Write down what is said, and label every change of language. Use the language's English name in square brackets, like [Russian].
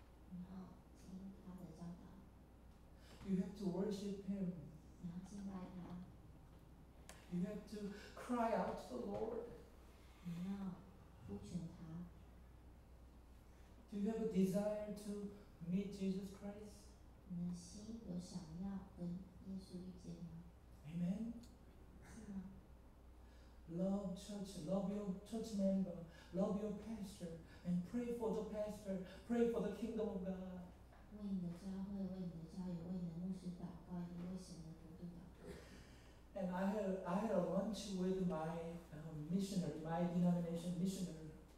[Chinese] 你要听他的教导。 [English] You have to worship him. [Chinese] 你要敬拜他。 [English] You have to cry out to the Lord. [Chinese] 你要呼求他。 [English] Do you have a desire to meet Jesus Christ? [Chinese] 你的心有想要跟耶稣遇见吗？ [English] Amen. [Chinese] 是吗？ [English] Love church, love your church member, love your pastor, and pray for the pastor, pray for the kingdom of God. [Chinese] 为你的教会，为你的教友，为你的牧师祷告，也为神的国度祷告。 [English] And I had a lunch with my missionary, my denomination missionary.